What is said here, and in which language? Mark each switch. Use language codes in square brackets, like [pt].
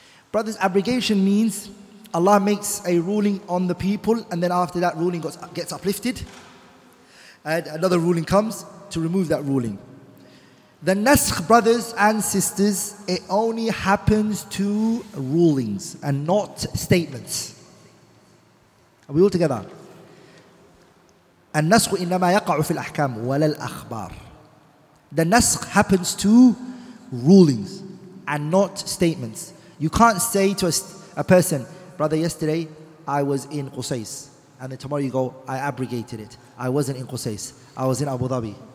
[en] Brothers, abrogation means Allah makes a ruling on the people and then after that ruling gets uplifted and another ruling comes to remove that ruling. The naskh, brothers and sisters, it only happens to rulings and not statements. Are we all together? [ar] النسخ إنما يقع في الأحكام ولا الأخبار. [en] The naskh happens to rulings and not statements. You can't say to a person, brother, yesterday I was in Qusais, and then tomorrow you go, I abrogated it. I wasn't in Qusais. I was in Abu Dhabi.